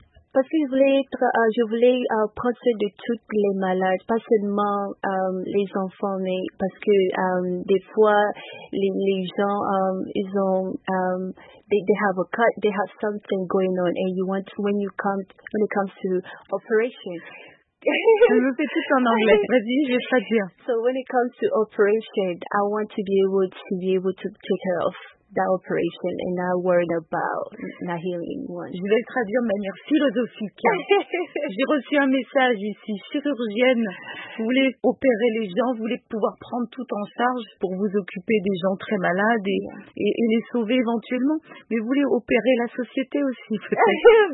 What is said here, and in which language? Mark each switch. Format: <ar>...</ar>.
<fr>Parce que je voulais prendre soin de toutes les malades, pas seulement les enfants, mais parce que des fois les gens ils ont</fr> <en>they have a cut, they have something going on, and you want to, when it comes to operation.</en> <fr>Je me fais tout en anglais. Vas-y, je vais traduire.</fr> <en>So when it comes to operation, I want to be able to take care of that operation and not worried about not healing one.</en> <fr>Je vais le traduire de manière philosophique. J'ai reçu un message ici. Chirurgienne, vous voulez opérer les gens, vous voulez pouvoir prendre tout en charge pour vous occuper des gens très malades et les sauver éventuellement. Mais vous voulez opérer la société aussi, peut-être.</fr>